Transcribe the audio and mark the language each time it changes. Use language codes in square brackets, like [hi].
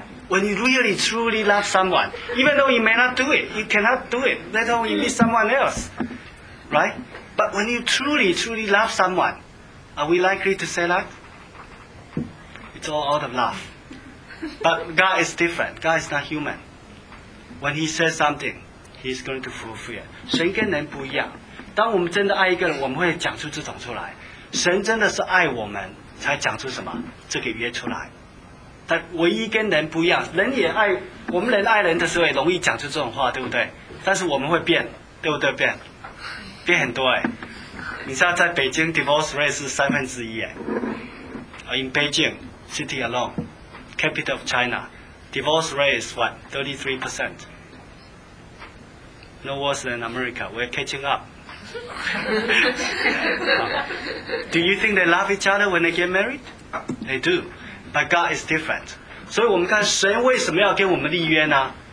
[en] When you really truly love someone Even though you may not do it You cannot do it Let alone you meet someone else Right? But when you truly, truly love someone Are we likely to say that? It's all out of love But God is different God is not humanWhen he says something, he's going to fulfill it. [zh] 神跟人不一样。当我们真的爱一个人，我们会讲出这种出来。神真的是爱我们，才讲出什么这个约出来。但唯一跟人不一样，人也爱我们人爱人的时候也容易讲出这种话，对不对？但是我们会变，对不对？变很多哎。你知道在北京 divorce rate 是三分之一哎。 [en] In Beijing city alone, capital of China. Divorce rate is what? 33%. No worse than America. We're catching up. Do you think they love each other when they get married? They do. But God is different. [zh] 所以我们看神为什么要跟我们立约呢？